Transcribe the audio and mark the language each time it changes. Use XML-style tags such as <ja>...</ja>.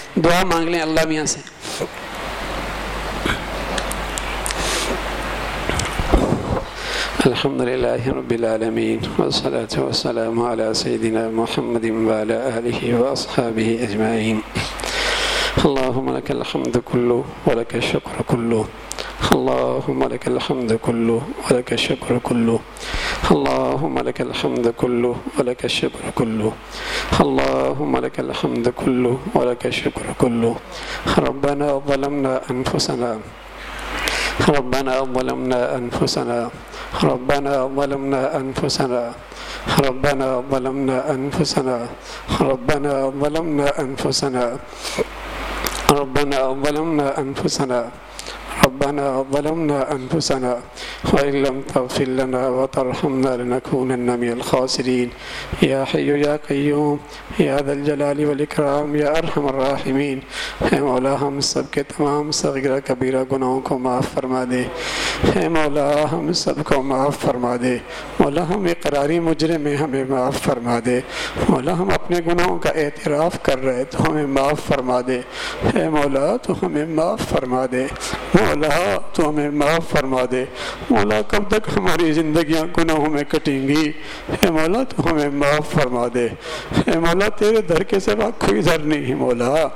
<ur>دعا مانگ لیں اللہ میاں سے.</ur> <ar>الحمدللہ رب العالمین والصلاة والسلام علی سیدنا محمد وعلی آلہ واصحابہ اجمعین. اللہم لک الحمد کلو ولک الشکر کلو, اللهم لك الحمد كله ولك الشكر كله, اللهم لك الحمد كله ولك الشكر كله, اللهم لك الحمد كله ولك الشكر كله. ربنا ظلمنا انفسنا, ربنا ظلمنا انفسنا, ربنا ظلمنا انفسنا, ربنا ظلمنا انفسنا, ربنا ظلمنا انفسنا, ربنا ظلمنا انفسنا, ربنا ظلمنا انفسنا وان لم تغفر لنا وترحمنا لنكونن من الخاسرين. يا حي يا قيوم يا ذا الجلال والاكرام يا ارحم الراحمين,</ar> <ur>اے مولا ہم سب کے تمام صغیرہ کبیرہ گناہوں کو معاف فرما دے, اے مولا ہم سب کو معاف فرما دے, مولا ہم اقراری مجرم ہیں ہمیں معاف فرما دے, مولا ہم اپنے گناہوں کا اعتراف کر رہے تو ہمیں معاف فرما دے, اے مولا تو ہمیں معاف فرما دے, مولا تو ہمیں معاف فرما دے, مولا کب تک ہماری زندگیاں گناہوں میں کٹیں گی, اے مولا تو ہمیں معاف فرما دے, اے مولا تیرے در کے سوا کوئی در نہیں مولا,</ur>